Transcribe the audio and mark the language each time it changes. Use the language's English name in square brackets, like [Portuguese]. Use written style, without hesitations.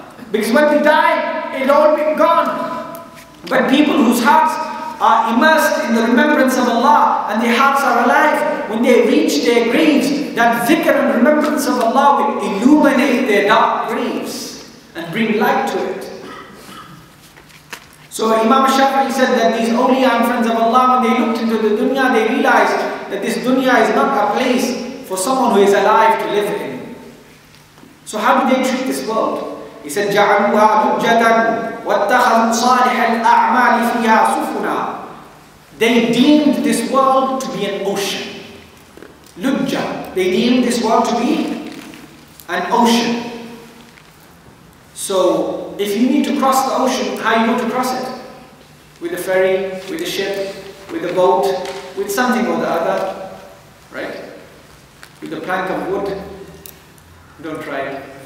[English] Because when they die, it all be gone. But people whose hearts are immersed in the remembrance of Allah and their hearts are alive, when they reach their graves, that zikr and remembrance of Allah will illuminate their dark graves and bring light to it. So Imam Shafi'i said that these awliya and friends of Allah, when they looked into the dunya, they realized that this dunya is not a place for someone who is alive to live in. So how do they treat this world? He said, [Arabic] جَعَلُوهَا حُجَّةً وَاتَّخَذُوا صَالِحَ الْأَعْمَالِ فِيهَا سُفُنًا. [English] They deemed this world to be an ocean. Lujja. They deemed this world to be an ocean. So, if you need to cross the ocean, how are you going to cross it? With a ferry, with a ship, with a boat, with something or the other, right? With a plank of wood. Don't try it.